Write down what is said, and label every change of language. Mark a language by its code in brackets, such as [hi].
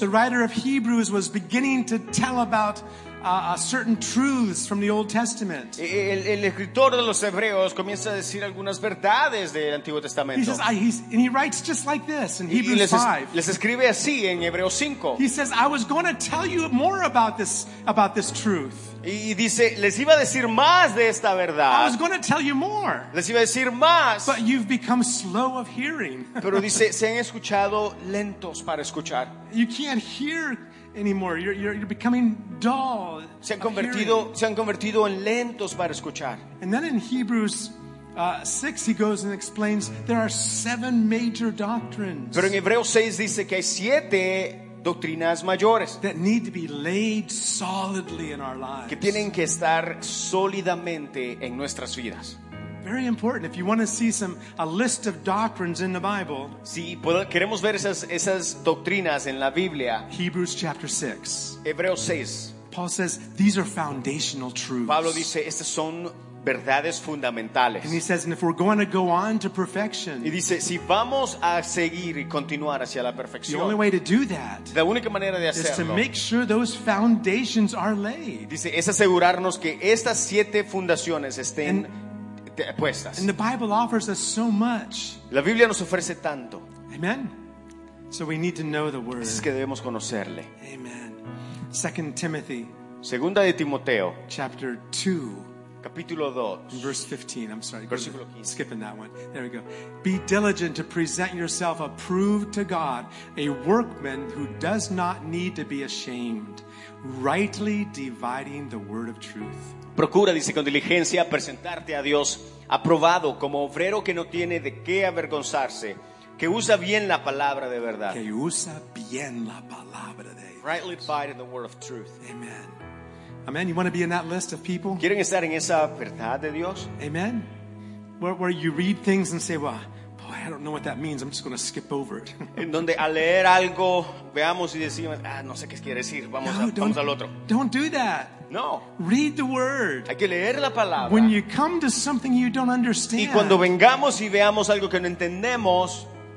[en] the writer of Hebrews was beginning to tell about certain truths from the Old Testament. [es] El escritor de los Hebreos comienza a decir algunas verdades del Antiguo Testamento. [en] He says, and he writes just like this in Hebrews 5. [es] Les escribe así en Hebreos 5. [en] He says, I was going to tell you more about this truth. [es] Y dice, les iba a decir más de esta verdad. [en] I was going to tell you more. [es] Les iba a decir más. [en] But you've become slow of hearing. [es] Pero dice, se han escuchado lentos para escuchar. [en] You can't hear anymore. You're becoming dull. [es] Se han convertido en lentos para escuchar. [en] And then in Hebrews 6 he goes and explains there are 7 major doctrines. [es] Pero en Hebreos 6 dice que hay 7 doctrinas mayores [en] that need to be laid solidly in our lives. [es] Que tienen que estar sólidamente en nuestras vidas. [en] Very important. If you want to see a list of doctrines in the Bible, [es] si queremos ver esas doctrinas en la Biblia, [en] Hebrews chapter 6. [es] Hebreos 6. [en] Paul says these are foundational truths. [es] Pablo dice estas son verdades fundamentales. [en] And he says, and if we're going to go on to perfection, [es] y dice, si vamos a seguir y continuar hacia la perfección, [en] the only way to do that, [es] la única manera de hacerlo, [en] is to make sure those foundations are laid. [es] Dice, es asegurarnos que estas 7 fundaciones estén puestas. [en] And the Bible offers us so much. [es] La Biblia nos ofrece tanto. [en] Amen. So we need to know the word. [es] Es que debemos conocerle. [en] Amen. 2 Timothy. [es] Segunda de Timoteo. [en] Chapter 2. [es] Capítulo 2. [en] Verse 15. I'm sorry. [es] Versículo 15. [en] Skipping that one. There we go. Be diligent to present yourself approved to God, a workman who does not need to be ashamed, rightly dividing the word of truth. [es] Procura, dice, con diligencia presentarte a Dios aprobado como obrero que no tiene de qué avergonzarse, que usa bien la palabra de verdad. Que usa bien la palabra de Dios. [en] Rightly divided the word of truth. Amen. Amen. You want to be in that list of people? [es] ¿Quieren estar en esa verdad de Dios? [en] Amen. Where you read things and say, well, boy, I don't know what that means. I'm just going to skip over it. [es] En donde al leer algo veamos y decimos, no sé qué quiere decir. Vamos al otro. [en] Don't do that. [es] No. [en] Read the word. [es] Hay que leer la palabra. [en] When you come to something you don't understand. [es] Y cuando vengamos y veamos algo que no entendemos,